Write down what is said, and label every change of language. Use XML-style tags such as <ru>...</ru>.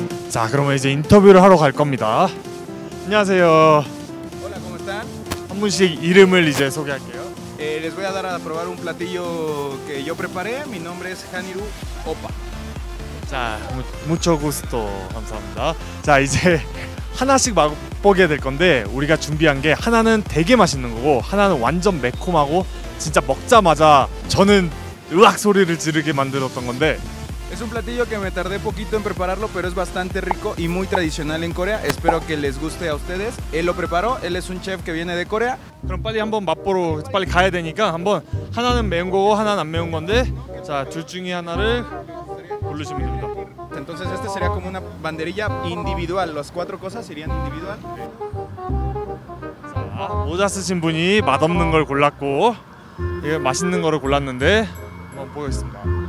<ko>자, 그러면 이제 인터뷰를 하러 갈 겁니다. 안녕하세요.</ko> <es>Hola, ¿cómo están?</es> <ko>한 분씩 이름을 이제 소개할게요.</ko> <es>Les voy a dar a probar un platillo que yo preparé. Mi nombre es Haniru Opa.</es> <ko>자,</ko> <es>mucho gusto.</es> <ko>감사합니다. 자, 이제 하나씩 맛보게 될 건데 우리가 준비한 게 하나는 되게 맛있는 거고 하나는 완전 매콤하고 진짜 먹자마자 저는 으악 소리를 지르게 만들었던 건데</ko> <es>Es un platillo que me tardé poquito en prepararlo, pero es bastante rico y muy tradicional en Corea. Espero que les guste a ustedes. Él lo preparó, él es un chef que viene de Corea.</es> <ko>그럼 빨리 한번 맛보러 빨리 가야 되니까 한번 하나는 매운 거고 하나는 안 매운 건데 자, 둘 중에 하나를 고르시면 됩니다.</ko> <es>Entonces este sería como una banderilla individual. Las cuatro cosas serían individual.</es> <ko>자, 모자 쓰신 분이 맛없는 걸 골랐고 이게 맛있는 거를 골랐는데 한번 보겠습니다.</ko>